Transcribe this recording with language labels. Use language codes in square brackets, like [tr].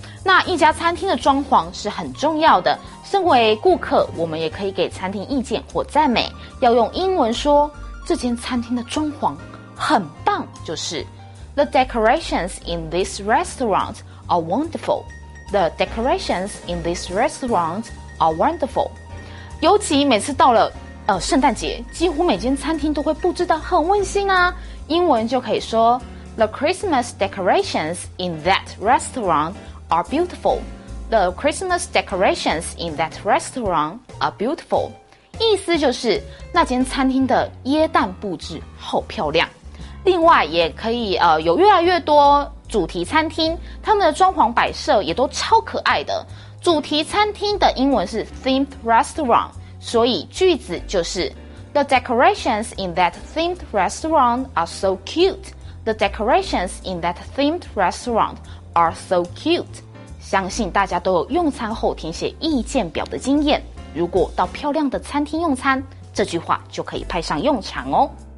[zh] 那一家餐厅的装潢是很重要的，身为顾客我们也可以给餐厅意见或赞美，要用英文说这间餐厅的装潢很棒，就是 [en] The decorations in this restaurant are wonderful. The decorations in this restaurant are wonderful. [zh] 尤其每次到了圣诞节，几乎每间餐厅都会布置得很温馨啊。英文就可以说 [en] The Christmas decorations in that restaurant are beautiful. The Christmas decorations in that restaurant are beautiful. [zh] 意思就是那间餐厅的耶诞布置好漂亮。另外也可以有越来越多主题餐厅，他们的装潢摆设也都超可爱的。主题餐厅的英文是 themed restaurant， 所以句子就是 [en] The decorations in that themed restaurant are so cute. The decorations in that themed restaurant are so cute. [zh] 相信大家都有用餐后填写意见表的经验，如果到漂亮的餐厅用餐，这句话就可以派上用场哦。